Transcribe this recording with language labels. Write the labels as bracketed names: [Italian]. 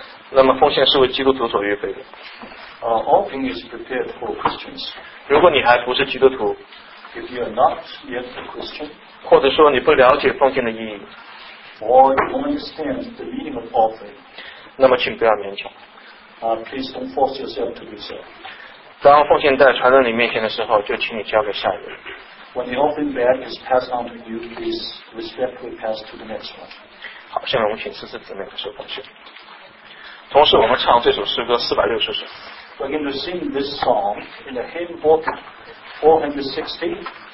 [Chinese] 那么奉献是为基督徒所预备的。 [English] Offering is prepared for Christians. [Chinese] 如果你还不是基督徒， [English] if you are not yet a Christian, [Chinese] 或者说你不了解奉献的意义， [English] or you don't understand the meaning of offering, [Chinese] 那么请不要勉强。 [English] Please don't force yourself to do so. [Chinese] 当奉献在传道人面前的时候，就请你交给下一位。 [English] When the offering bag is passed on to you, please respectfully pass to the next one. [Chinese] 好，下面我们请四四姊妹来说奉献。同时我们唱这首诗歌460首。 [English] We're going to sing this song in the hymn book 460.